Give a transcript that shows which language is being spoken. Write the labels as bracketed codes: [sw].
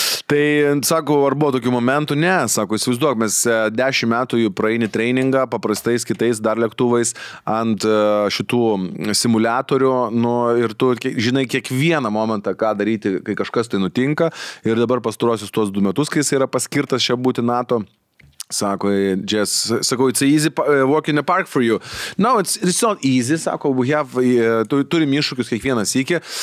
[lt] Tai, sako, ar buvo tokių momentų? Ne, sako, įsivaizduok, mes 10 metų jų praeini treningą, paprastais kitais dar lėktuvais ant šitų simuliatorių, nu, ir tu žinai kiekvieną momentą, ką daryti, kai kažkas tai nutinka, ir dabar pastaruosius tuos 2 metus, kai jis yra paskirtas čia būti NATO, [en] Sako, just, sako, it's easy walk in the park for you. No, it's not easy, sako, we have, [lt] turim iššūkius kiekvieną sykį.